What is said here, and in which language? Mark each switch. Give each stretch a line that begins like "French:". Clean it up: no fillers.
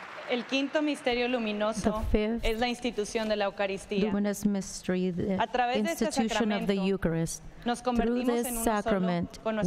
Spanish: El quinto misterio luminoso es la institución de la Eucaristía.
English: The luminous mystery, the institution of the Eucharist.
Spanish: Nos convertimos en un solo con nuestro Señor Jesucristo.